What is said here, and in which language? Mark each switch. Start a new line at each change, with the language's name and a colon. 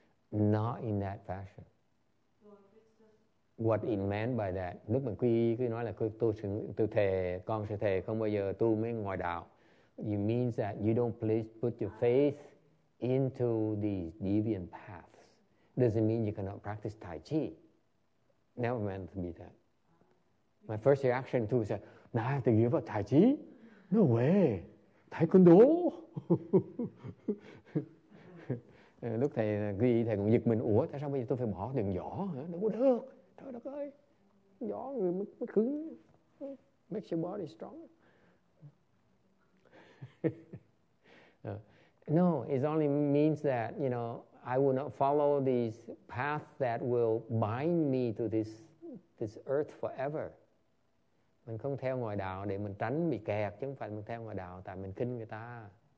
English: Not in that fashion. What it meant by that?
Vietnamese: Lúc mình quy cứ nói là tôi thề, con sẽ thề không bao giờ tu mấy ngoại đạo.
English: It means that you don't please put your faith into these deviant paths. Doesn't mean you cannot practice Tai Chi. Never meant to be that. My first reaction too is that, now I have to give up Tai Chi? No way. Taekwondo?
Vietnamese: Lúc thầy ghi, thầy cũng giật mình, ủa, tại sao bây giờ tôi phải bỏ đường giỏ hả? Đâu có được. Trời đất ơi, giỏ người mới cứng.
English: Makes your body strong. No, it only means that, you know, I will not follow these paths that will bind me to this earth forever.
Vietnamese: Mình không theo ngoại đạo để mình tránh bị kẹt, chứ không phải mình theo ngoại đạo tại mình khinh người ta.